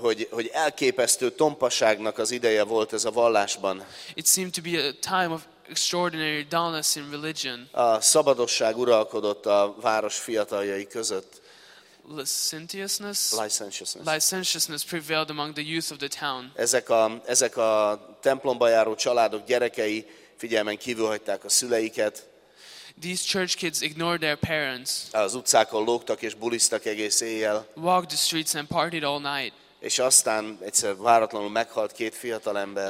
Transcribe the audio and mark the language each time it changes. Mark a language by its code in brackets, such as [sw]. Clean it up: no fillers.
[hu] hogy elképesztő tompaságnak az ideje volt ez a vallásban. [en] It seemed to be a time of extraordinary dullness in religion. [hu] A szabadosság uralkodott a város fiataljai között. [en] Licentiousness prevailed among the youth of the town. [hu] Ezek a templomba járó családok gyerekei figyelmen kívül hagyták a szüleiket. [en] These church kids ignored their parents. [hu] Az utcákon lógtak és bulisztak egész éjjel. [en] Walked the streets and partied all night. [hu] És aztán egyszer váratlanul meghalt két fiatalember.